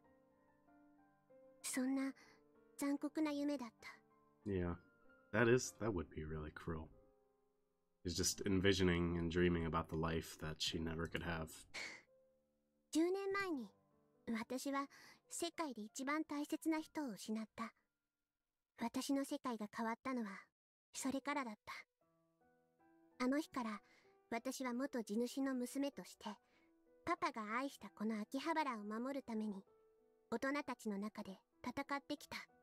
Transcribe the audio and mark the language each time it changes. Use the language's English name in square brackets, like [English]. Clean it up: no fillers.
[Japanese] と苦笑していた。私がそれにちゃんと起こしてよと抗議すると、パパが救いの手を差し伸べてくれる。学校には車で送ってあげるから、ちゃんと朝食を済ませなさいと。それはごく当たり前の日常で、誰もが経験する私が見たのは、そんな 残酷な夢だった。 [English] Yeah, that would be really cruel. She's just envisioning and dreaming about the life that she never could have. [Japanese] 10年前に私は世界で一番大切な人を失った。私の世界が変わったのはそれからだった。あの日から私は元地主の娘として、パパが愛したこの秋葉原を守るために大人たちの中で戦ってきた。